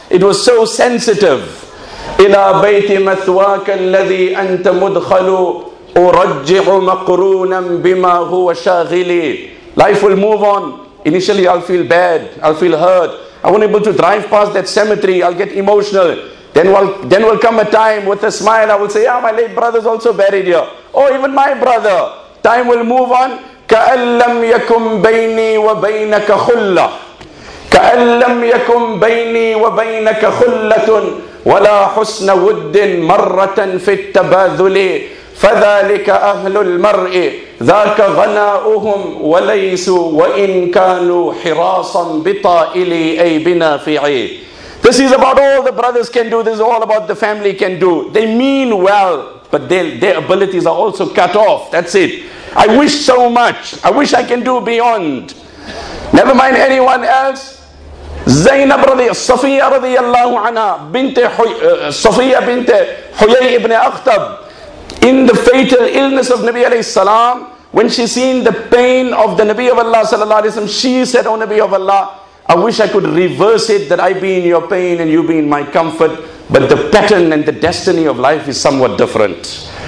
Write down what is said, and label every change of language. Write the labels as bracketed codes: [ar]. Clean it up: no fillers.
[en] It was so sensitive. [ar] إِلَىٰ بَيْتِ مَثْوَاكَ الَّذِي أَنْتَ مُدْخَلُ أُرَجِّعُ مَقْرُونًا بِمَا هُوَ شَاغِلِ. [en] Life will move on. Initially I'll feel bad, I'll feel hurt. I won't be able to drive past that cemetery, I'll get emotional. Then will come a time with a smile, I will say, my late brother's also buried here. Oh, even my brother. Time will move on. [ar] كأن لم يكن بيني وبينك خلة كأن لم يكن بيني وبينك خلة ولا حسن ود مرة في التباذل فذلك أهل المرء ذاك غناؤهم وليسوا وإن كانوا حراصا بطائلي أي بنافعي. [en] This is about all the brothers can do. This is all about the family can do. They mean well, but their abilities are also cut off. That's it. I wish so much. I wish I can do beyond. Never mind anyone else. Zainab Safiya radiyallahu anha, Safiya bint Huyay ibn Akhtab, in the fatal illness of Nabi alayhi salam, when she seen the pain of the Nabi of Allah sallallahu alayhi wa sallam, she said, O Nabi of Allah, I wish I could reverse it, that I be in your pain and you be in my comfort, but the pattern and the destiny of life is somewhat different.